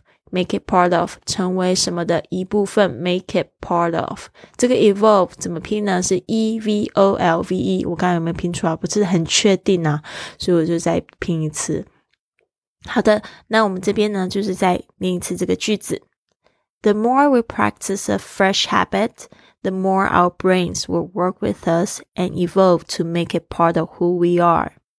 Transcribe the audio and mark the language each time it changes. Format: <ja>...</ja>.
<en>make it part of,</en> <zh>成为什么的一部分 make it part of. 这个 evolve 怎么拼呢？是 evolve, 我刚才有没有拼出来不是很确定啊，所以我就再拼一次。好的，那我们这边呢就是再念一次这个句子。</zh> <en>The more we practice a fresh habit, the more our brains will work with us and evolve to make it part of who we are.</en>